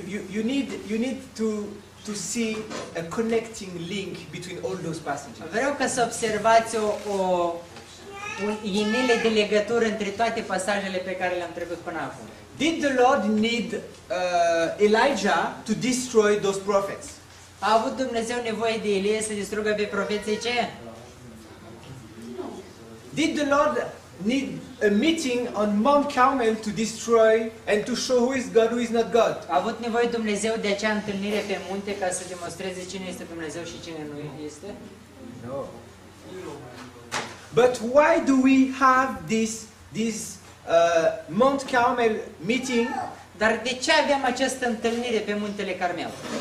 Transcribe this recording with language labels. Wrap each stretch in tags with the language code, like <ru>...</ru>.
<en>You need to see a connecting link between all those passages.</en> <ro>Vreau ca să observați o inele de legătură între toate pasajele pe care le-am trecut până acum.</ro> <en>Did the Lord need Elijah to destroy those prophets?</en> <ro>A avut Dumnezeu nevoie de Ilie să distrugă pe profeții ce?</ro> <en>Did the Lord need a meeting on Mount Carmel to destroy and to show who is God, who is not God?</en> <ro>A avut nevoie Dumnezeu de acea întâlnire pe munte ca să demonstreze cine este Dumnezeu și cine nu este?</ro> <en>No. But why do we have this Mount Carmel meeting?</en> <ro>Dar de ce avem această întâlnire pe muntele Carmel?</ro>